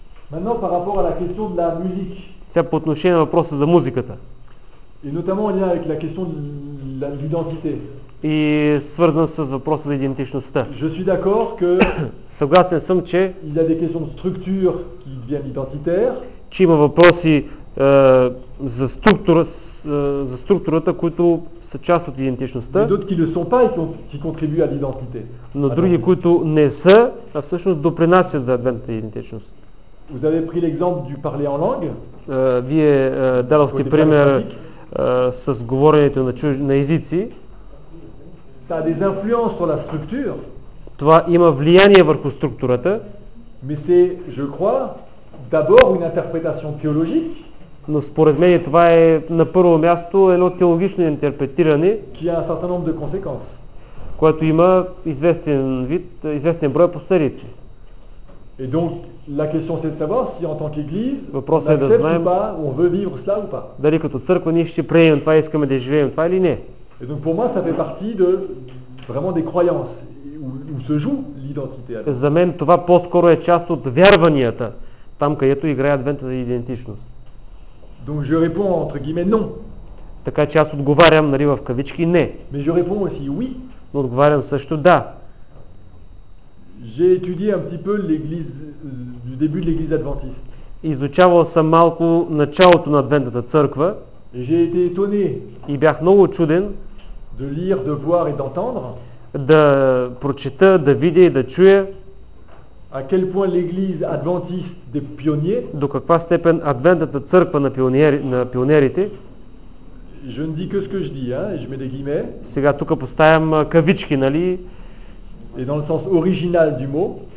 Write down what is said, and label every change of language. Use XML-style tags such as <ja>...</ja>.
<fr>Maintenant par rapport à la question de la musique.</fr> <bg>Сега по отношение на въпроса за музиката.</bg> <fr>Et notamment en lien avec la question de l'identité.</fr> <bg>И свързан с въпроса за идентичността.</bg> <fr>Je suis d'accord que</fr> <bg>съгласен съм, че</bg> <fr>il y a des questions de structure qui deviennent identitaires.</fr> <bg>Че има въпроси за структура, за структурата, които са част от идентичността.</bg> <fr>D'autres qui ne sont pas et qui contribuent à l'identité.</fr> <bg>Но други, които не са, а всъщност допринасят за адвентната идентичност.</bg> <fr>Vous avez pris l'exemple du parler en langue.</fr> <bg>Вие дадохте пример с говоренето на на езици.</bg> <fr>Ça a des influences sur la structure.</fr> <bg>Това има влияние върху структурата.</bg> <fr>Mais c'est, je crois, d'abord une interprétation théologique.</fr> <bg>Но според мен това е на първо място едно теологично интерпретиране.</bg> <fr>Qui a un certain nombre de conséquences.</fr> <bg>Което има известен брой последици.</bg> <fr>Et donc la question c'est de savoir si en tant qu'église, on accepte</fr> <bg>да знаем,</bg> <fr>ou pas, on veut vivre cela ou pas.</fr> <bg>Дали като църква ние ще приемем това, искаме да живеем това или не.</bg> <fr>Et donc pour moi ça fait partie de vraiment des croyances où se joue l'identité.</fr> <bg>За мен това по-скоро е част от вярванията, там където играе адвентната идентичност.</bg> <fr>Donc je réponds entre guillemets non.</fr> <bg>Така че аз отговарям, нали, в кавички не.</bg> <fr>Mais je réponds aussi oui.</fr> <bg>Но отговарям също да.</bg> <fr>J'ai étudié un petit peu l'église du début de l'église adventiste.</fr> <bg>Изучавал съм малко началото на адвентната църква.</bg> <fr>J'ai été étonné.</fr> <bg>И бях много чуден.</bg> <fr>De lire, de voir et d'entendre.</fr> <bg>Да прочета, да видя и да чуя.</bg> <fr>À quel point l'église adventiste des pionniers?</fr> <bg>До каква степен адвентната църква на пионерите?</bg> <fr>Je ne dis que ce que je dis, hein, je mets des guillemets.</fr> <bg>Сега тук поставям кавички, нали?</bg> <fr>Et dans le sens original du mot,</fr>